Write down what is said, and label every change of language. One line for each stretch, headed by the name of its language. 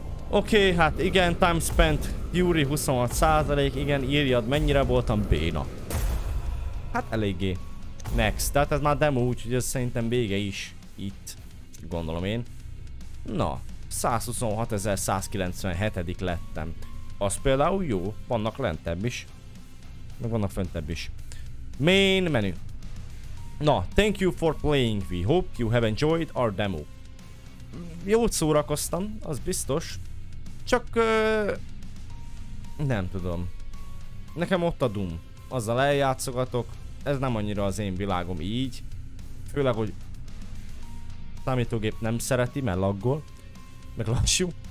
Hungarian: Oké, okay, hát igen,
English: time spent,
Hungarian: Yuri 26%, igen, írjad, mennyire voltam béna. Hát eléggé. Next, tehát ez már demo, úgyhogy ez szerintem vége is itt, gondolom én. Na, 126.197. lettem. Az például jó, vannak lentebb is. Meg vannak föntebb is. Main menu.
English: Na, thank you for playing, we hope you have enjoyed our demo.
Hungarian: Jót szórakoztam, az biztos. Csak... nem tudom. Nekem ott a Doom. Azzal eljátszogatok. Ez nem annyira az én világom így. Főleg, hogy... számítógép nem szereti, mert laggol. Meg lassú.